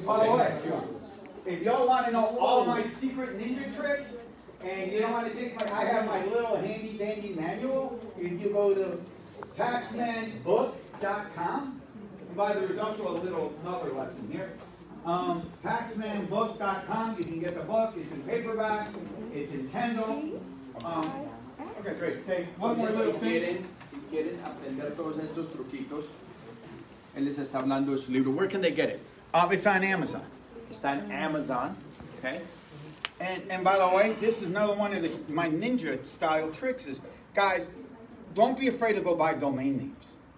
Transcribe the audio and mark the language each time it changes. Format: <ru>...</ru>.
<en>By the way, if y'all want to know all my secret ninja tricks, and you don't want to take I have my little handy dandy manual, if you go to taxmanbook.com, and by the way, there's also a little another lesson here. Taxmanbook.com, you can get the book, it's in paperback, it's in Kindle. Okay, great. Okay, one more little thing.</en> <es>Si quieren aprender todos estos truquitos, él les está hablando de su libro.</es> <en>Where can they get it? It's on Amazon. It's on Amazon. Okay. And by the way, this is another one of my ninja style tricks is, guys, don't be afraid to go buy domain names.</en>